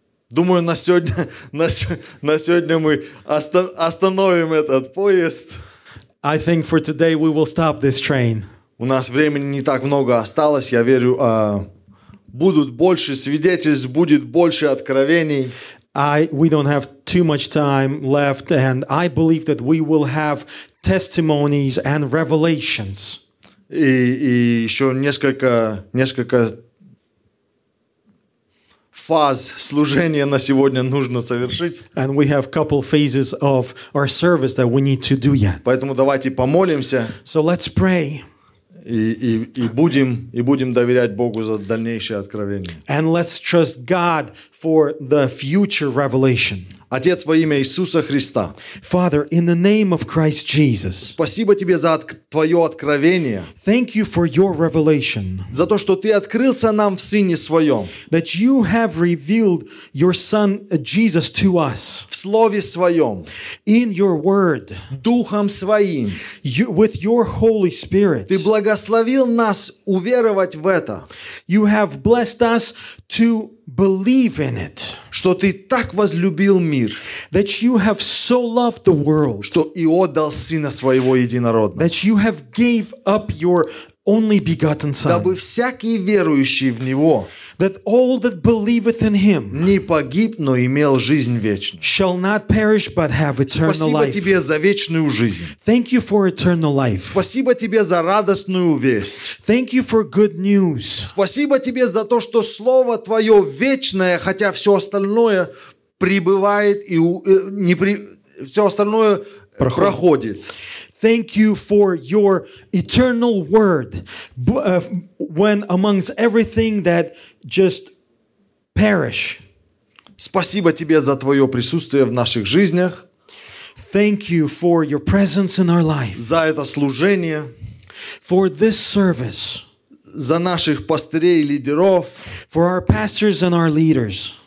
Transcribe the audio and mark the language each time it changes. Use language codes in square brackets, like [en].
[ru] Думаю, на сегодня мы остановим этот поезд. [en] I think for today we will stop this train. [ru] У нас времени не так много осталось. Я верю, будут больше свидетельств, будет больше откровений. [en] We don't have too much time left, and I believe that we will have testimonies and revelations. [ru] И еще несколько фаз служения на сегодня нужно совершить. [en] And we have a couple phases of our service that we need to do yet. [ru] Поэтому давайте помолимся. [en] So let's pray. [ru] И будем доверять Богу за дальнейшее откровение. [en] And let's trust God for the future revelation. [ru] Отец, во имя Иисуса Христа. [en] Father, in the name of Christ Jesus. [ru] Спасибо тебе за твое откровение. [en] Thank you for your revelation. [ru] За то, что ты открылся нам в Сыне Своем. [en] That you have revealed your Son Jesus to us. [ru] В Слове Своем. [en] In your Word. [ru] Духом Своим. [en] You, with your Holy Spirit. [ru] Ты благословил нас уверовать в это. [en] You have blessed us to believe in it. [ru] Что ты так возлюбил мир. [en] That you have so loved the world. [ru] Что и отдал Сына Своего Единородного. [en] That you have gave up your only begotten Son. [ru] Дабы всякий верующий в Него. [en] That all that believeth in Him. [ru] Не погиб, но имел жизнь вечную. [en] Shall not perish, but have eternal life. [ru] Спасибо тебе за вечную жизнь. [en] Thank you for eternal life. [ru] Спасибо тебе за радостную весть. [en] Thank you for good news. [ru] Спасибо тебе за то, что слово твое вечное, хотя все остальное пребывает и все остальное проходит. [en] Thank you for your eternal word when amongst everything that just perish. [ru] Спасибо тебе за твое присутствие в наших жизнях. [en] Thank you for your presence in our life. [ru] За это служение. [en] For this service. [ru] За наших пастырей и лидеров. [en] For our pastors and our leaders.